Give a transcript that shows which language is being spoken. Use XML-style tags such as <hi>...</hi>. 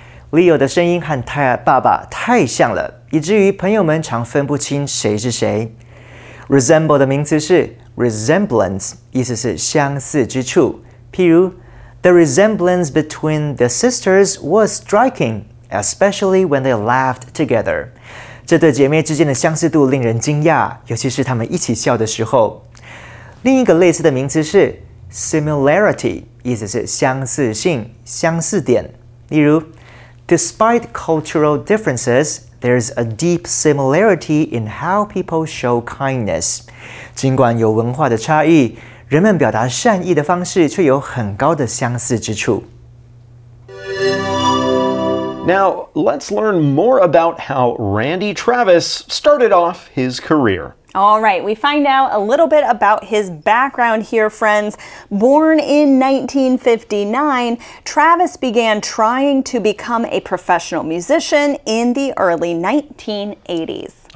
<en>Leo's voice resembles his father's so much that their friends often mix them up.</en> <zh>Resemble 的名词是 resemblance, 意思是相似之处。譬如</zh> <en>The resemblance between the sisters was striking,especially when they laughed together.</en> <zh>这对姐妹之间的相似度令人惊讶，尤其是她们一起笑的时候。另一个类似的名词是 similarity, 意思是相似性、相似点。例如</zh> <en>Despite cultural differences, there's a deep similarity in how people show kindness.</en> <zh>尽管有文化的差异，人们表达善意的方式却有很高的相似之处。</zh> <en>Now, let's learn more about how Randy Travis started off his career. All right, we find out a little bit about his background here, friends. Born in 1959, Travis began trying to become a professional musician in the early 1980s.</en>